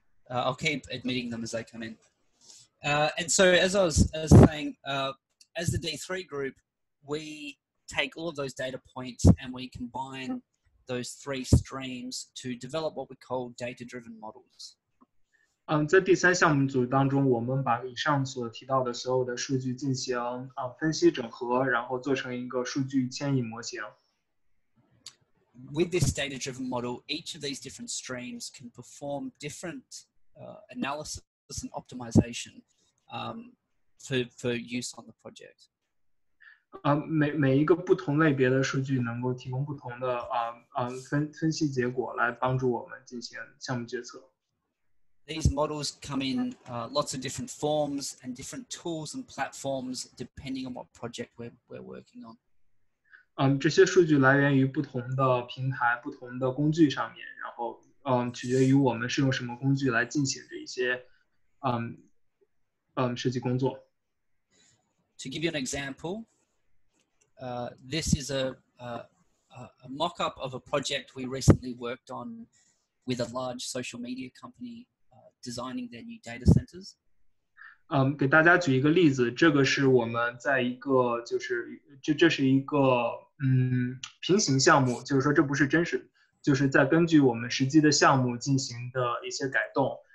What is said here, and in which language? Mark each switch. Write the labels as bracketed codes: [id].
[en] I'll keep admitting them as they come in. And so as I was saying, as the D3 group, we take all of those data points and we combine those three streams to develop what we call data-driven models. [zh] 在第三项目组当中，我们把以上所提到的所有的数据进行分析整合，然后做成一个数据迁移模型。 [en] With this data-driven model, each of these different streams can perform different analysis and optimization for use on the project. [zh] 每一个不同类别的数据能够提供不同的分析结果，来帮助我们进行项目决策。 [en] These models come in lots of different forms and different tools and platforms depending on what project we're working on. [zh] 这些数据来源于不同的平台、不同的工具上面，然后取决于我们是用什么工具来进行这一些设计工作。 [en] To give you an example, this is a mock-up of a project we recently worked on with a large social media company designing their new data centers. [zh] 给大家举一个例子，这个是我们在一个就是这是一个平行项目，就是说这不是真实，就是在根据我们实际的项目进行的一些改动。